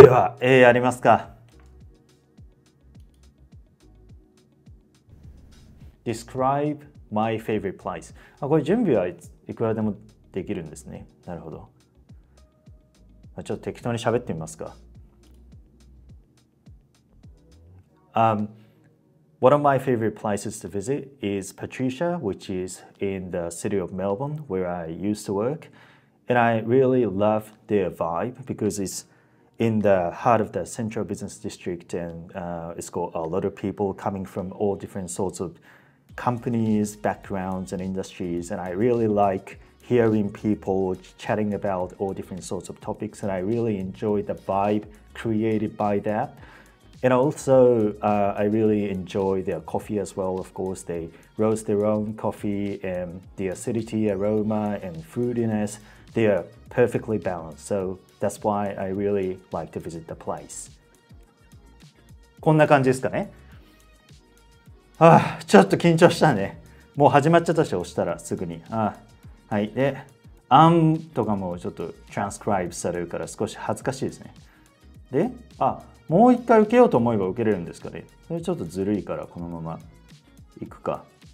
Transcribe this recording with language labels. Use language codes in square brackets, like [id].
[ja] では、やりますか。 [en] Describe my favorite place。 [ja] あ、これ準備はいくらでもできるんですね。なるほど。ちょっと適当に喋ってみますか。 [en] One of my favorite places to visit is Patricia, which is in the city of Melbourne, where I used to work. And I really love their vibe because it's in the heart of the central business district, and it's got a lot of people coming from all different sorts of companies, backgrounds and industries. And I really like hearing people chatting about all different sorts of topics. And I really enjoy the vibe created by that. And also, I really enjoy their coffee as well. Of course, they roast their own coffee, and the acidity, aroma, and fruitiness, they are perfectly balanced. So that's why I really like to visit the place. [ja] こんな感じですかね。あ、ちょっと緊張したね。もう始まっちゃったし、押したらすぐに。あ、はい。で、とかもちょっと transcribe されるから少し恥ずかしいですね。で、あ、もう一回受けようと思えば受けれるんですかね。それちょっとずるいからこのまま行くか。